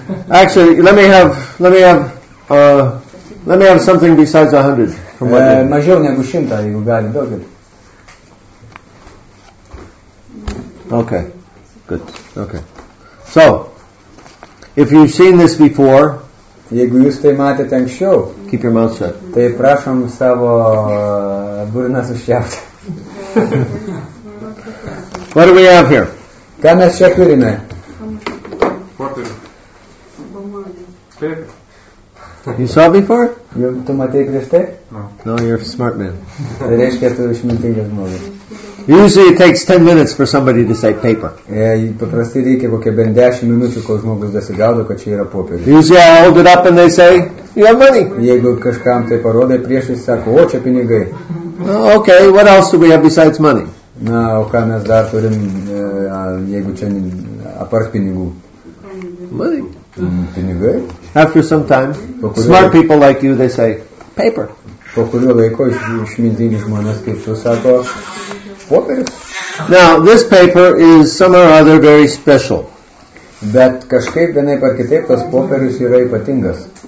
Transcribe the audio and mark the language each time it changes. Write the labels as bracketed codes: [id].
[en] Actually, let me have something besides 100 from what? [lt] Mažiau negu 100, jeigu gali, daugiau. [en] Okay, good. Okay, so if you've seen this before, [lt] jeigu jūs tai matėte anksčiau, [en] keep your mouth shut. [lt] Tai prašom savo burnas užčiaupti. [en] What do we have here? [lt] Ką mes čia turime? [en] You saw before? [lt] Tu matėjai prieš tai? [en] No, you're a smart man. [lt] Reiškia, tu išmintingas žmogus. [en] Usually it takes 10 minutes for somebody to say paper. [lt] Paprastai reikia kokie bent 10 minučių, kol žmogus dasigaudo, kad čia yra popierius. [en] Usually I hold it up and they say, you have money. [lt] Jeigu kažkam tai parodai, priešais sako, o čia pinigai. [en] Okay, what else do we have besides money? [lt] Na, o ką mes dar turim, jeigu čia apart pinigų? [en] Money. [lt] Pinigai. [en] After some time, smart people like you, they say, paper. [lt] Po kurio laiko išmintingi žmonės kaip tu sako, popierius. [en] Now, this paper is some or other very special. [lt] Bet kažkaip vienaip ar kitaip tas popierius yra ypatingas.